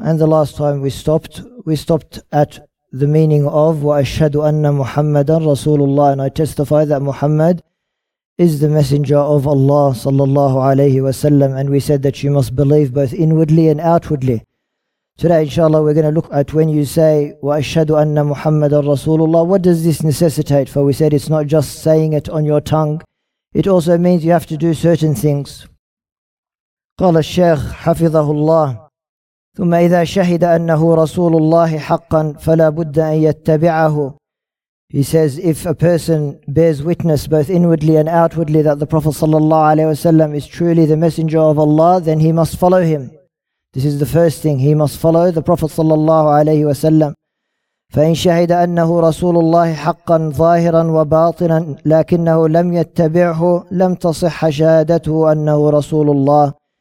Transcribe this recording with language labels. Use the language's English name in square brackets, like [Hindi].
[English] And the last time we stopped at the meaning of Wa ashhadu anna Muhammadan Rasulullah, and I testify that Muhammad is the messenger of Allah sallallahu alayhi wa sallam. And we said that you must believe both inwardly and outwardly. Today, inshallah, we're going to look at when you say Wa ashhadu anna Muhammadan Rasulullah, what does this necessitate? For we said it's not just saying it on your tongue. It also means you have to do certain things. [Arabic] قال الشيخ حفظه الله ثم إذا شهد أنه رسول الله حقا فلا بد أن يتبعه. [English] He says if a person bears witness both inwardly and outwardly that the Prophet sallallahu alaihi wasallam is truly the messenger of Allah, then he must follow him. This is the first thing, he must follow the Prophet sallallahu alayhi wa sallam. [Arabic] فَإِنْ شَهِدَ أَنَّهُ رَسُولُ اللَّهِ حَقًّا ظَاهِرًا وَبَاطِنًا لَكِنَّهُ لَمْ يَتَّبِعْهُ لَمْ تَصِحَّ شَهَادَتُهُ أَنَّهُ رَسُولُ اللَّهِ.